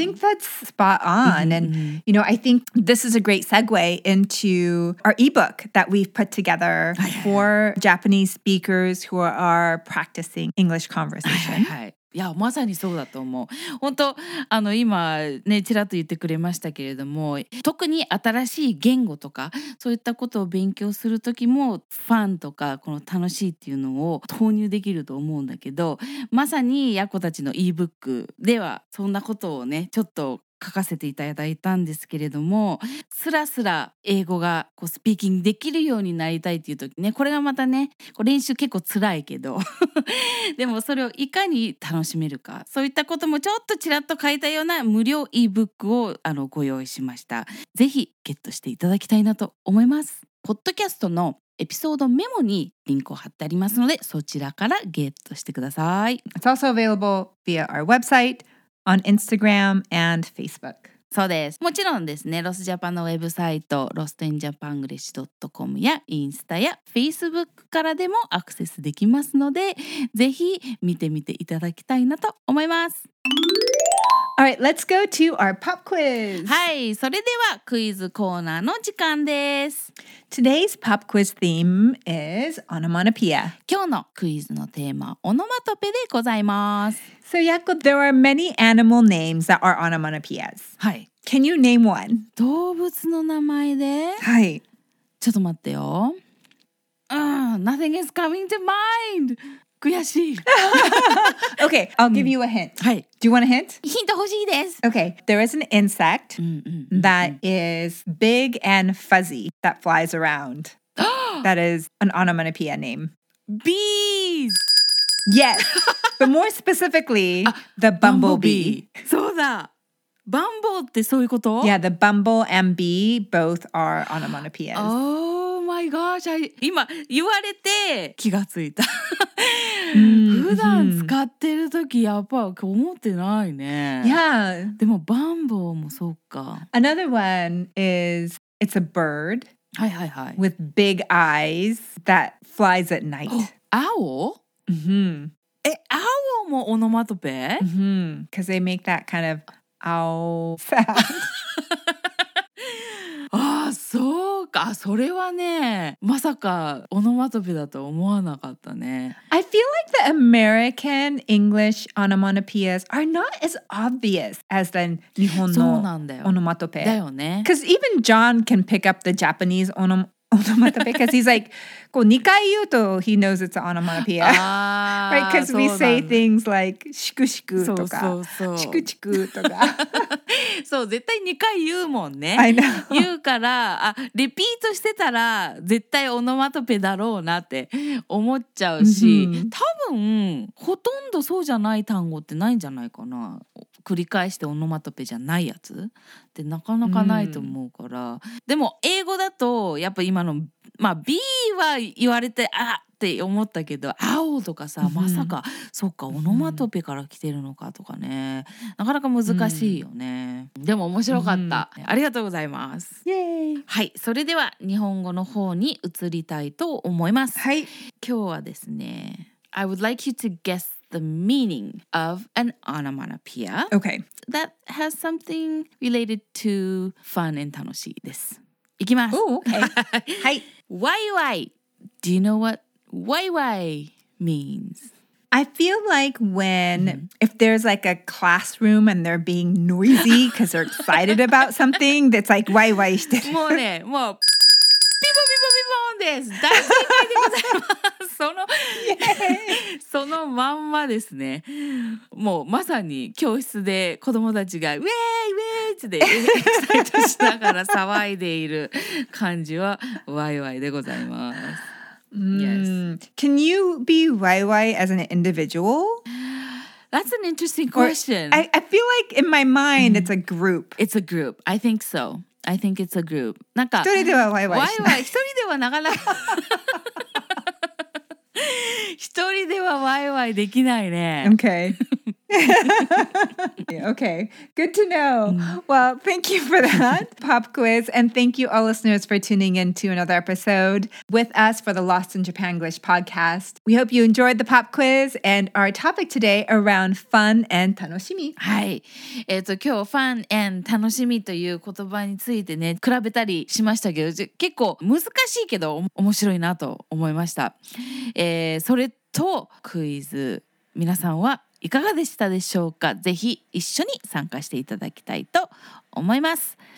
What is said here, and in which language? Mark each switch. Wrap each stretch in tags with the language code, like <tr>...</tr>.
<en>I think that's spot on and you know I think this is a great segue into our ebook that we've put together for Japanese speakers who are practicing English conversation</en> <ja>いやまさにそうだと思う本当あの今ねちらっと言ってくれましたけれども特に新しい言語とかそういったことを勉強する時もファンとかこの楽しいっていうのを投入できると思うんだけどまさにヤコたちの e-book ではそんなことをねちょっと書かせていただいたんですけれどもすらすら英語がこうスピーキングできるようになりたいっていう時ねこれがまたねこう練習結構辛いけどでもそれをいかに楽しめるかそういったこともちょっとちらっと書いたような無料 e-book をあのご用意しましたぜひゲットしていただきたいなと思いますポッドキャストのエピソードメモにリンクを貼ってありますのでそちらからゲットしてください</ja> <en>It's also available via our websiteOn Instagram and Facebook.</en> <ja>そうです。もちろんですね、ロスジャパンのウェブサイト、lostinjapanglish.com やインスタや Facebook からでもアクセスできますので、ぜひ見てみていただきたいなと思います。</ja> <en>All right, let's go to our pop quiz.</en> <ja>はい、それではクイズコーナーの時間です。</ja> <en>Today's pop quiz theme is onomatopoeia.</en> <ja>今日のクイズのテーマ、オノマトペでございます。</ja> <en>So, Yako, there are many animal names that are onomatopoeias.</en> <ja>はい。</ja> <en>Can you name one?</en> <ja>動物の名前で？はい。ちょっと待ってよ。</ja> <en>Nothing is coming to mind!</en> <ja>悔しい。</ja> <en>Okay, I'll give you a hint.</en> <ja>はい。</ja> <en>Do you want a hint?</en> <ja>ヒント欲しいです。</ja> <en>Okay, there is an insect that is big and fuzzy that flies around. That is an onomatopoeia name. Bees! Yes, but more specifically, the bumblebee.</en> <ja>そうだ。Bumble ってそういうこと?</ja> <en>Yeah, the bumble and bee both are onomatopoeias. Oh my gosh,</en> <ja>今言われて気がついた。普段使ってる時やっぱ思ってないね。</ja> <en>Yeah.</en> <ja>でもバンボーもそうか。</ja> <en>Another one is, it's a bird.</en> <ja>はいはいはい。</ja> <en>With big eyes that flies at night. Owl? Mm-hmm.</en> <ja>え、owl もオノマトペ? Mm-hmm.</ja> <en>Because they make that kind of owl sound.</en> <ja>そうか、それはね、まさかオノマトペだと思わなかったね。</ja> <en>I feel like the American English onomatopoeias are not as obvious as the</en> <ja>日本のオノマトペ。そうなんだよ。だよね。</ja> <en>Because even John can pick up the Japanese onomatopoeia because he's like,</en> <ja>こう2回言うと</ja> <en>he knows it's an onomatopoeia. ああ、 right? Because we say things like シクシクとか、</en> <ja>そうそうそう、チクチクとか。そう絶対2回言うもんね</ja> <en>I know.</en> <ja>言うからあリピートしてたら絶対オノマトペだろうなって思っちゃうし、mm-hmm. 多分ほとんどそうじゃない単語ってないんじゃないかな繰り返してオノマトペじゃないやつってなかなかないと思うから、mm-hmm. でも英語だとやっぱ今のまあ B は言われてあって思ったけど青とかさまさか、うん、そっかオノマトペから来てるのかとかね、うん、なかなか難しいよね、うん、でも面白かった、うん、ありがとうございますイエーイはいそれでは日本語の方に移りたいと思いますはい今日はですね</ja> <en>I would like you to guess the meaning of an onomatopoeia Okay That has something related to fun and</en> <ja>楽しいですいきます</ja> <en>Ooh, okay.</en> <ja>はい</ja> <en>Why? Do you know what why means? I feel like when, if there's like a classroom and they're being noisy because they're excited about something, that's like, why, why?</en> <ja>もうね、もう、ピポピポピポンです。大正解でございます。その、そのまんまですね。もうまさに教室で子供たちが、ウェイウェイってエキサイトしながら騒いでいる感じは、ワイワイでございます。</ja> <en>Yes. Can you be YY as an individual? That's an interesting question. I feel like in my mind, it's a group. It's a group. I think so. I think it's a group.</en> <ja>なんか、一人では YY しない。 YY、一人ではなかなか。一人では YY できないね。</ja> <en>Okay. Okay, good to know. Well, thank you for that pop quiz. And thank you all listeners for tuning in to another episode with us for the Lost in Japanglish podcast. We hope you enjoyed the pop quiz and our topic today around fun and 楽しみ。</en> <ja>はい。今日 fun and 楽しみという言葉についてね、比べたりしましたけど、結構難しいけど面白いなと思いました。それとクイズ、皆さんはいかがでしたでしょうか。ぜひ一緒に参加していただきたいと思います。</ja>